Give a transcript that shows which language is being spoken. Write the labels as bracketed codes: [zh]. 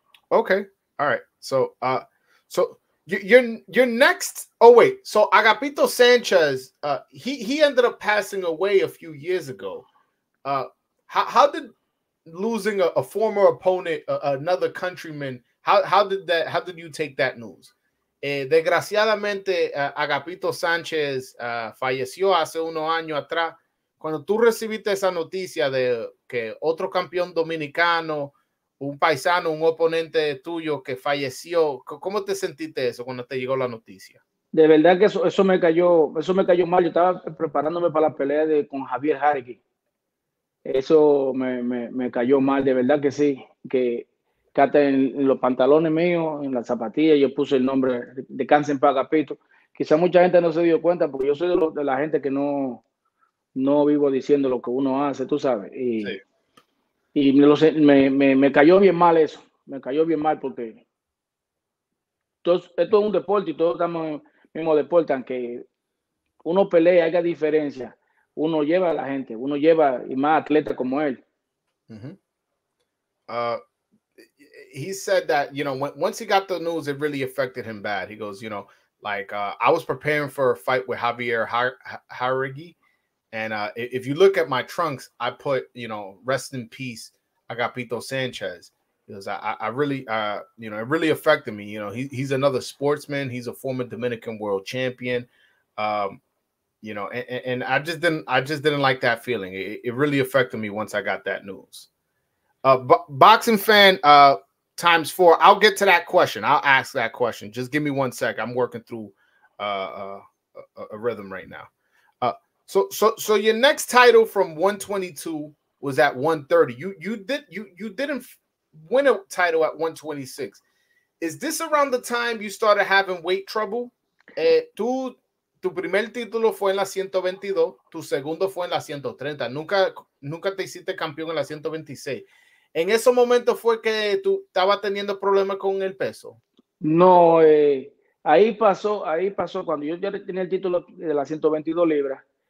[en] Okay. All right. So your next. Oh, wait. So Agapito Sanchez, he ended up passing away a few years ago. How did losing a former opponent, another countryman, how did you take that news? [es] Desgraciadamente, Agapito Sánchez falleció hace unos años atrás. Cuando tú recibiste esa noticia de que otro campeón dominicano, un paisano, un oponente tuyo que falleció, ¿cómo te sentiste eso cuando te llegó la noticia? De verdad que eso me cayó mal. Yo estaba preparándome para la pelea con Javier Járegui. Eso me cayó mal, de verdad que sí, que hasta en los pantalones míos, en las zapatillas, yo puse el nombre de Cáncer para Agapito. Quizá mucha gente no se dio cuenta, porque yo soy de la gente que no vivo diciendo lo que uno hace, tú sabes. Y, sí. Y me cayó bien mal eso, me cayó bien mal, porque esto es un deporte y todos estamos en el mismo deporte, aunque uno pelea, haga diferencia. Uno lleva a la gente, uno lleva y más atletas como él. [en] He said that, once he got the news, it really affected him bad. He goes, I was preparing for a fight with Javier Járegui. And if you look at my trunks, I put, rest in peace, Agapito Sanchez. Because I really it really affected me. He's another sportsman. He's a former Dominican world champion. I just didn't like that feeling. It really affected me once I got that news. Boxing fan times four. I'll get to that question. I'll ask that question. Just give me one sec. I'm working through a rhythm right now. So your next title from 122 was at 130. You didn't win a title at 126. Is this around the time you started having weight trouble? [es] Tu primer título fue en la 122, tu segundo fue en la 130. Nunca te hiciste campeón en la 126. ¿En ese momento fue que tú estabas teniendo problemas con el peso? No, ahí pasó cuando yo ya tenía el título de la 122 libras.